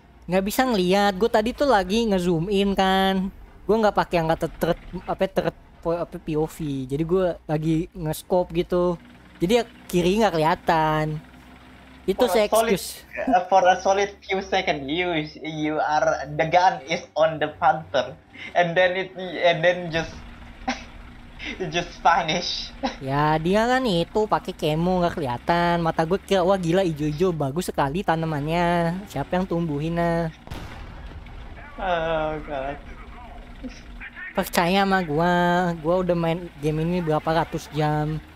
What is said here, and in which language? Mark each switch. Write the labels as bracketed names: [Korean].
[Indonesian] Nggak bisa ngelihat. Gue tadi tuh lagi ngezoom in kan, gue nggak pakai yang kata POV, jadi gue lagi nge-scope gitu. Jadi ya kiri nggak kelihatan. Itu saya excuse. [English] For a solid few second, you are, the gun is on the panther, and then just vanish. [Indonesian] Ya dia kan itu pakai kemo nggak kelihatan. Mata gue kira, wah gila, ijo-ijo bagus sekali tanamannya. Siapa yang tumbuhinnya? [English] Oh god. [Indonesian] Percaya sama gue. Gue udah main game ini berapa ratus jam.